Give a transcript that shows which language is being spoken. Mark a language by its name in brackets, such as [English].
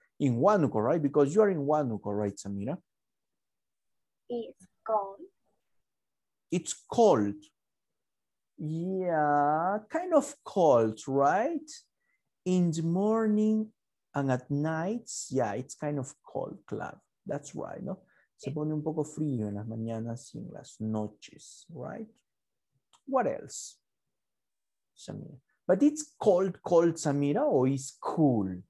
[English] In Huánuco, right? Because you are in Huánuco, right, Samira? It's cold. It's cold. Yeah, kind of cold, right? In the morning and at night, yeah, it's kind of cold, claro. That's right, no? [Spanish] Se pone un poco frío en las mañanas y en las noches, right? What else, Samira? But it's cold, cold, Samira, or it's cool?